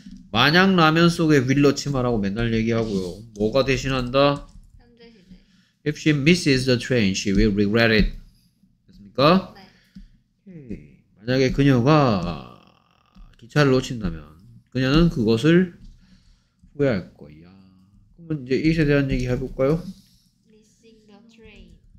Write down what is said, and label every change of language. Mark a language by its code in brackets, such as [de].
[ko] 마냥 라면 속에 will 넣지 말라고 맨날 얘기하고요. 뭐가 대신한다? [en] If she misses the train, she will regret it. [ko] 됐습니까? 네. 만약에 그녀가 기차를 놓친다면 그녀는 그것을 후회할 거야. 그럼 이제 이에 대한 얘기 해볼까요? [en] Missing the train.